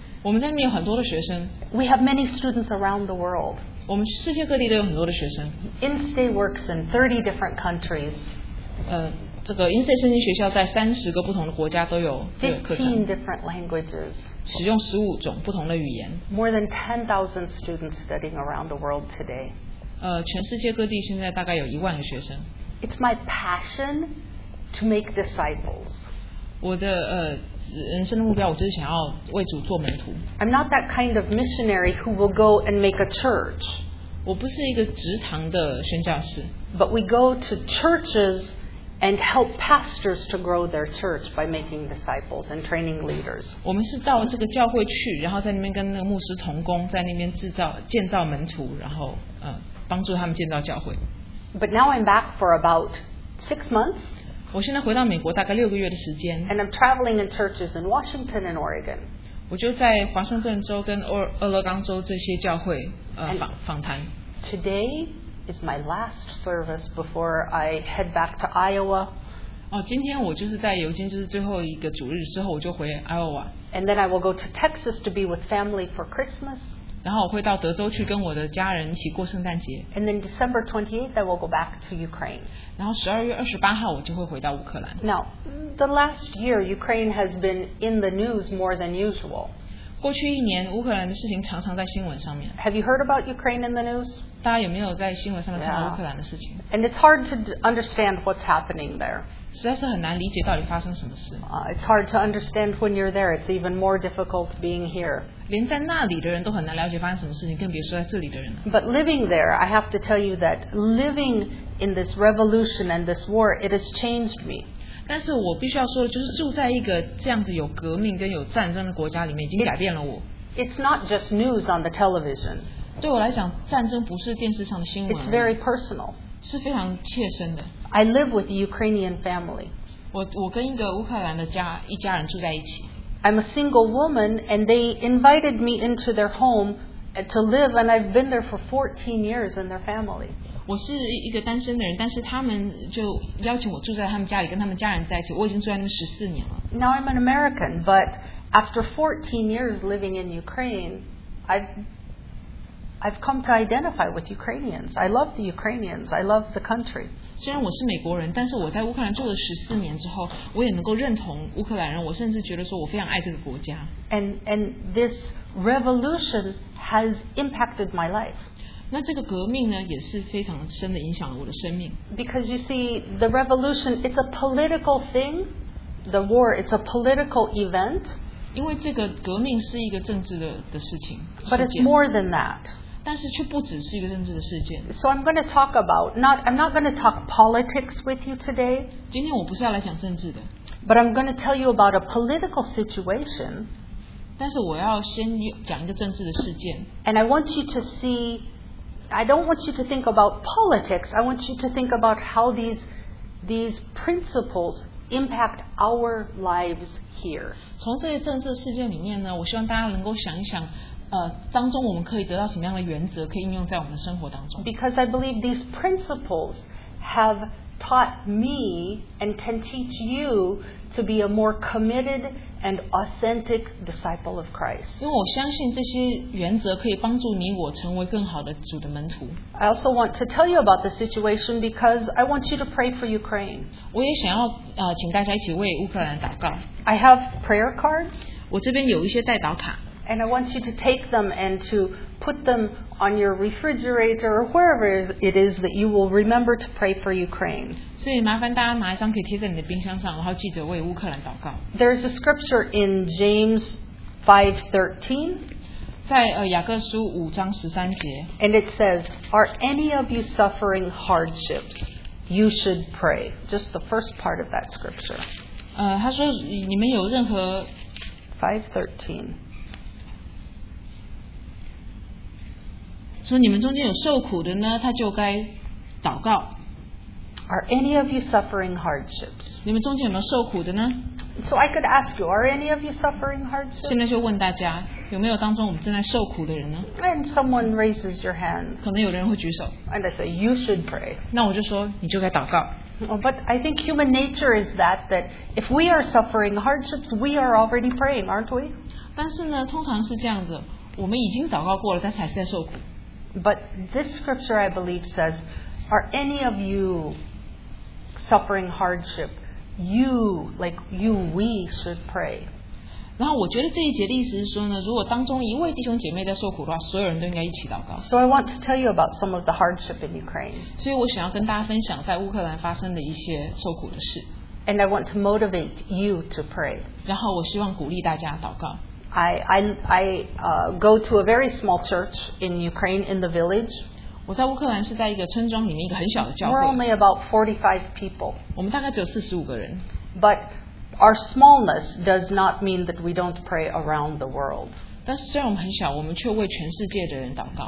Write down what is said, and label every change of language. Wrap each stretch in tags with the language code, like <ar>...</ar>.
<zh>我们在那边有很多的学生</zh> <en>We have many students around the world</en> <zh>我们世界各地都有很多的学生</zh> <en>Instay works in 30 different countries</en> <zh>这个 Instay 圣经学校在三十个不同的国家都有课程。</zh> <en>15 different languages.</en> <zh>使用十五种不同的语言。</zh> <en>More than 10,000 students studying around the world today.</en> <zh>全世界各地现在大概有一万个学生。</zh> <en>It's my passion to make disciples.</en> <zh>我的人生的目标，我就是想要为主做门徒。</zh> <en>I'm not that kind of missionary who will go and make a church.</en> <zh>我不是一个职堂的宣教士。</zh> <en>But we go to churches. And help pastors to grow their church by making disciples and training leaders.</en> <zh>我们是到这个教会去，然后在那边跟那个牧师同工，在那边建造门徒，然后帮助他们建造教会。</zh> <en>But now I'm back for about 6 months.</en> <zh>我现在回到美国大概六个月的时间。</zh> <en>And I'm traveling in churches in Washington and Oregon.</en> <zh>我就在华盛顿州跟俄勒冈州这些教会访谈。</zh> <en>Today. Is my last service before I head back to Iowa.</en> <zh>今天我就是在尤金，就是最后一个主日之后，我就回 Iowa.</zh> <en>And then I will go to Texas to be with family for Christmas.</en> <zh>然后我会到德州去跟我的家人一起过圣诞节。</zh> <en>And then December 28th, I will go back to Ukraine.</en> <zh>然后十二月二十八号，我就会回到乌克兰。</zh> <en>Now, the last year, Ukraine has been in the news more than usual.</en> <zh>过去一年，乌克兰的事情常常在新闻上面。</zh> <en>Have you heard about Ukraine in the news?</en> <zh>大家有没有在新闻上面看到乌克兰的事情</zh> <en>Yeah. And it's hard to understand what's happening there.</en> <zh>实在是很难理解到底发生什么事。</zh> <en>It's hard to understand when you're there. It's even more difficult being here.</en> <zh>连在那里的人都很难了解发生什么事情，更别说在这里的人了。</zh> <en>But living there, I have to tell you that living in this revolution and this war, it has changed me.</en> <zh>但是我必须要说的就是住在一个这样子有革命跟有战争的国家里面已经改变了我</zh> <en>It's not just news on the television</en> <zh>对我来讲战争不是电视上的新闻</zh> <en>It's very personal</en> <zh>是非常切身的。</zh> <en>I live with a Ukrainian family.</en> <zh>我跟一个乌克兰的家一家人住在一起。</zh> <en>I'm a single woman, and they invited me into their home to live, and I've been there for 14 years in their family.</en> <zh>我是一个单身的人，但是他们就邀请我住在他们家里，跟他们家人在一起。我已经住在那边14年了。</zh> <en>Now I'm an American, but after 14 years living in Ukraine, I've come to identify with Ukrainians. I love the Ukrainians. I love the country.</en> <zh>虽然我是美国人，但是我在乌克兰住了14年之后，我也能够认同乌克兰人。我甚至觉得说我非常爱这个国家。</zh> <en>And this revolution has impacted my life.</en> <zh>那这个革命呢，也是非常深的影响了我的生命。</zh> <en>Because you see, the revolution, it's a political thing. The war, it's a political event.</en> <zh>因为这个革命是一个政治 的事情</zh> <en>But it's more than that.</en> <zh>但是却不只是一个政治的事件</zh> <en>So I'm going to talk about, not, I'm not going to talk politics with you today.</en> <zh>今天我不是要来讲政治的</zh> <en>But I'm going to tell you about a political situation.</en> <zh>但是我要先讲一个政治的事件</zh> <en>And I want you to see, I don't want you to think about politics. I want you to think about how these principles impact our lives here.</en> <zh>从这些政治事件里面呢，我希望大家能够想一想，当中我们可以得到什么样的原则，可以应用在我们的生活当中。</zh> <en>Because I believe these principles have taught me and can teach you to be a more committed and authentic disciple of Christ.</en> <zh>因为我相信这些原则可以帮助你我成为更好的主的门徒。</zh> <en>I also want to tell you about the situation because I want you to pray for Ukraine.</en> <zh>我也想要请大家一起为乌克兰祷告。</zh> <en>I have prayer cards.</en> <zh>我这边有一些代祷卡。</zh> <en>And I want you to take them and to put them on your refrigerator or wherever it is that you will remember to pray for Ukraine.</en> <zh>所以麻烦大家拿一张可以贴在你的冰箱上，然后记得为乌克兰祷告。</zh> <en>There's a scripture in James 5:13.</en> <zh>在雅各书五章十三节。</zh> <en>And it says, "Are any of you suffering hardships? You should pray." Just the first part of that scripture.</en> <zh>他说你们有任何 5:13. 说你们中间有受苦的呢，他就该祷告。</zh> <en>Are any of you suffering hardships?</en> <zh>你们中间有没有受苦的呢</zh> <en>？So I could ask you, are any of you suffering hardships?</en> <zh>现在就问大家，有没有当中我们正在受苦的人呢</zh> <en>？And someone raises your hand.</en> <zh>可能有人会举手。</zh> <en>And I say you should pray.</en> <zh>那我就说你就该祷告。</zh> <en>Oh, but I think human nature is that if we are suffering hardships, we are already praying, aren't we?</en> <zh>但是呢，通常是这样子，我们已经祷告过了，但是还是在受苦。</zh> <en>But this scripture, I believe, says, "Are any of you suffering hardship? You, like you, we should pray."</en> <zh>然后我觉得这一节的意思是说呢，如果当中一位弟兄姐妹在受苦的话，所有人都应该一起祷告。</zh> <en>So I want to tell you about some of the hardship in Ukraine.</en> <zh>所以我想要跟大家分享在乌克兰发生的一些受苦的事。</zh> <en>And I want to motivate you to pray.</en> <zh>然后我希望鼓励大家祷告。</zh> <en>I go to a very small church in Ukraine in the village.</en> <zh>我在乌克兰是在一个村庄里面一个很小的教会。</zh> <en>We're only about 45 people.</en> <zh>我们大概只有45个人。</zh> <en>But our smallness does not mean that we don't pray around the world.</en> <zh>但是虽然我们很小，我们却为全世界的人祷告。</zh>